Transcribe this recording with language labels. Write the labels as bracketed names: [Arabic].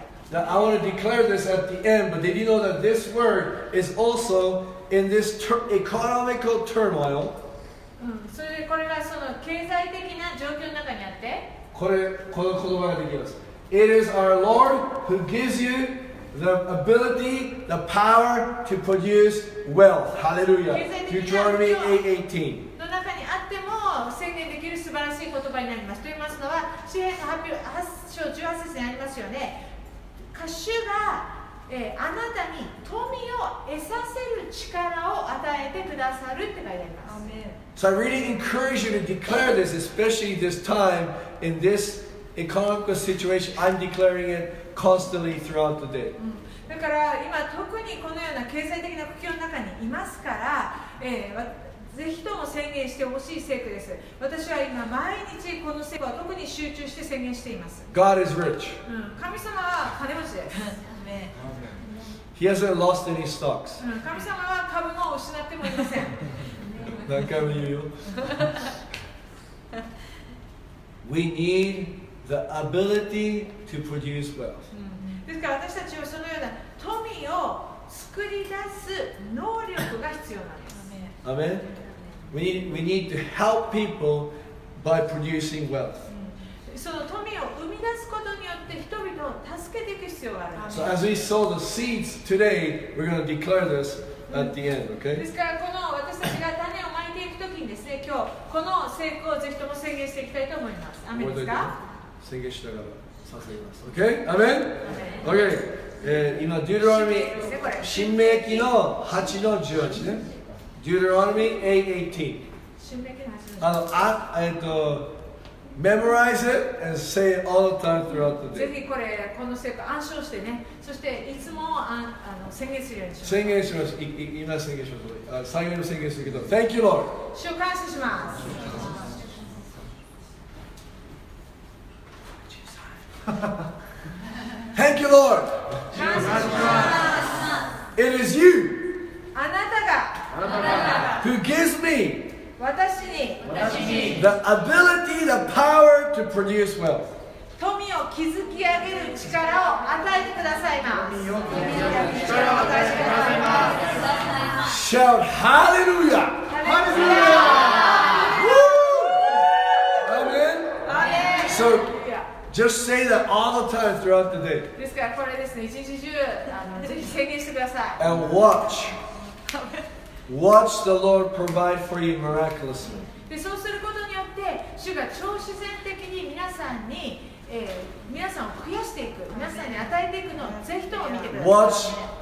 [English] Now, I want to declare this at the end, but did you know that this word is also in this economical turmoil? [Japanese] それでこれがその経済的な状況の中にあって、これこの言葉ができます。 [English] It is our Lord who gives you the ability, the power to produce wealth. Hallelujah. Deuteronomy 8:18. [Japanese] の中にあっても宣言できる素晴らしい言葉になります。と言いますのは、詩篇の8章18節にありますよね。歌手が、あなたに富を得させる力を与えてくださるって書いてあります。 [English] So I really encourage you to declare this, especially this time in this economic situation. I'm declaring it constantly throughout the day. [Japanese] だから今特にこのような経済的な苦境の中にいますから、ぜひとも宣言してほしい聖句です。私は今毎日この聖句は特に集中して宣言しています。 [English] God is rich. [Japanese] 神様は金持ちです。 [English] Amen. He hasn't lost any stocks. [Japanese] 神様は株も失ってもいません。何回も言うよ。 [English] We need the ability to produce wealth. [Japanese] ですから私たちはそのような富を作り出す能力が必要なんです。 [English] Amen. We need to help people by producing wealth. [Japanese] その富を生み出すことによって人々を助けていく必要がある。 [English] So as we sow the seeds today, we're going to declare this at the end, okay? [Japanese] ですからこの私たちが種を今日この成功をぜひとも宣言していきたいと思います。アメンですか？宣言しながら捧げます。OK? アメン OK、今、デューデロアルミ新明記の8の18ね。デューデロアルミ 8:18。 新明記の8の 18。 [English] Memorize it and say it all the time throughout the day. [Japanese] ぜひこれ、この成功暗唱してね。そして、いつも宣言するようにします。宣言します。今宣言します。最後の宣言するけど、 [English] Thank you, Lord! [Japanese] 主を感謝します。 [English] Thank you, Lord! [Japanese] 感謝します。 [English] It is you! [Japanese] あなたが、あなたが、 [English] who gives me [Japanese] 私に [English] the ability, the power to produce wealth. [Japanese] 富を築き上げる力を与えてくださいます。富を築き上げる力を与えてください。 [English] Shout hallelujah! Hallelujah! Woo! Amen. So, just say that all the time throughout the day. [Japanese] ですからこれですね、一日中ぜひ宣言してください。 [English] And watch. Watch the Lord provide for you miraculously. [Japanese] で、そうすることによって、主が超自然的に皆さんに、皆さんを増やしていく、皆さんに与えていくのをぜひとも見てください。